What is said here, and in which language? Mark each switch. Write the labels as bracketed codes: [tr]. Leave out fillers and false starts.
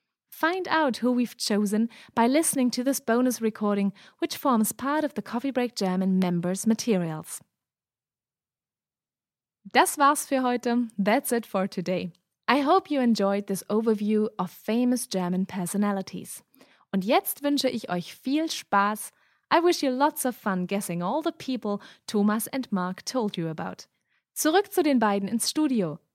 [en] Find out who we've chosen by listening to this bonus recording, which forms part of the Coffee Break German members' materials. [de] Das war's für heute. [en] That's it for today. I hope you enjoyed this overview of famous German personalities. [de] Und jetzt wünsche ich euch viel Spaß. [en] I wish you lots of fun guessing all the people Thomas and Mark told you about. [de] Zurück zu den beiden ins Studio.